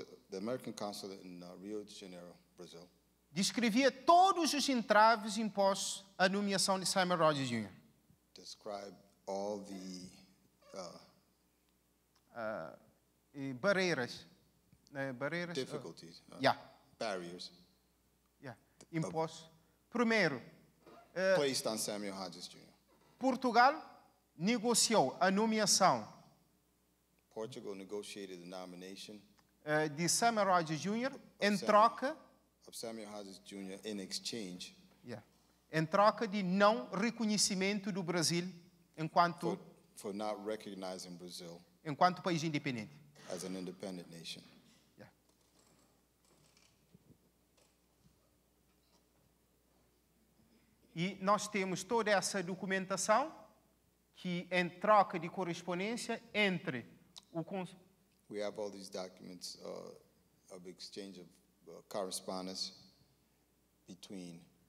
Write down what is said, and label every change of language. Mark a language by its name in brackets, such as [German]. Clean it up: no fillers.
[English] the American consulate in Rio de Janeiro, Brazil, [Portuguese] descrevia todos os entraves impostos à nomeação de Sammy Rogers Jr. [English] Described all the [Portuguese] barreiras, [English] difficulties, barriers. Yeah. [Portuguese] Impostos. Primeiro, [English] placed on Samuel Hodges Jr. [Portuguese] Portugal negociou a nomeação. [English] Portugal negotiated the nomination [Portuguese] de Samuel Hodges Jr. em troca [English] of Samuel Hodges Jr. in exchange. Yeah. [Portuguese] Em troca de não reconhecimento do Brasil enquanto [English] for not recognizing Brazil. [Portuguese] Enquanto país independente. [English] As an independent nation. [Portuguese] E nós temos toda essa documentação que em troca de correspondência entre o consul. [English] We have all these documents of exchange of correspondence between